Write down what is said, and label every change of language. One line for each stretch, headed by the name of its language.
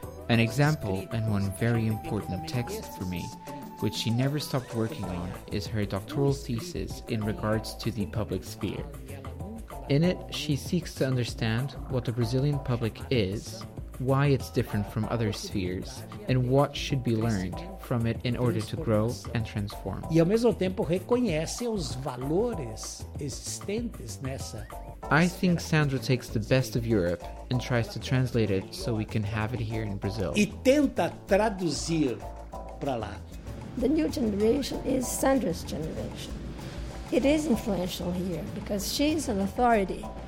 English: An example, and one very important text for me, which she never stopped working on, is her doctoral thesis in regards to the public sphere. In it, she seeks to understand what the Brazilian public is, why it's different from other spheres, and what should be learned from it in order to grow and transform.
Portuguese: E ao mesmo tempo reconhece os valores existentes nessa.
English: I think Sandra takes the best of Europe and tries to translate it so we can have it here in Brazil.
Portuguese: E tenta traduzir para lá.
English: The new generation is Sandra's generation. It is influential here because she is an authority.